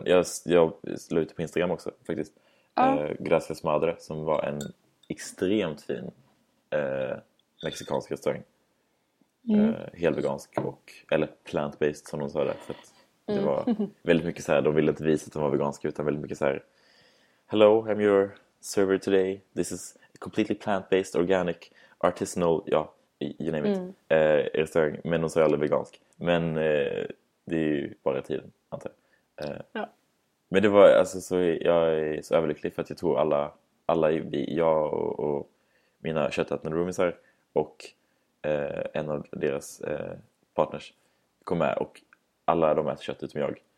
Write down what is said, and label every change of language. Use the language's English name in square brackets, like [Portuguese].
[Swedish] Jag slog ut på Instagram också faktiskt. Gracias Madre, som var en extremt fin mexikansk restaurang. Helvegansk och, eller plant-based som de sa där, för att det var väldigt mycket så här, de ville inte visa att de var veganska utan väldigt mycket så här: [English] Hello, I'm your server today. This is completely plant-based, organic, artisanal, ja, you name it. [Swedish] Restaurang, men de sa aldrig vegansk. Men det är ju bara tiden, antar jag. Men det var, alltså så, jag är så överlycklig för att jag tror alla jag och mina köttätande roomisar och en av deras partners kom med och alla de äter kött utom jag.